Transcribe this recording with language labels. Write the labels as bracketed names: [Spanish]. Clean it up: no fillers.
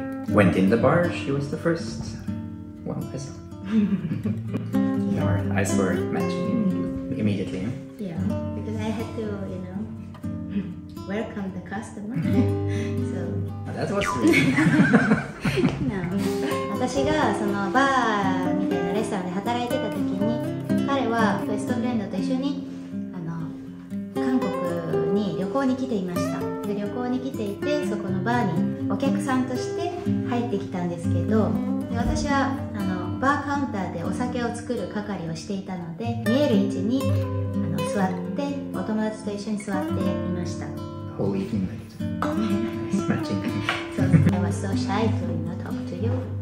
[English] Went in the bar, she was the first one I saw. Yeah. Our eyes were matching immediately. Yeah, because I had to, welcome the customer. So. That was sweet. [Japanese] 私がそのバーみたいなレストランで働いてた時に、彼はベストフレンドと一緒に韓国に旅行に来ていました。で、旅行に来ていて、そこのバーにお客さんとして入ってきたんですけど、で私はバーカウンターでお酒を作る係をしていたので、見える位置に座ってお友達と一緒に座っていました。ホーリーフィンライト。 [English] そう、 I was so shy to talk to you.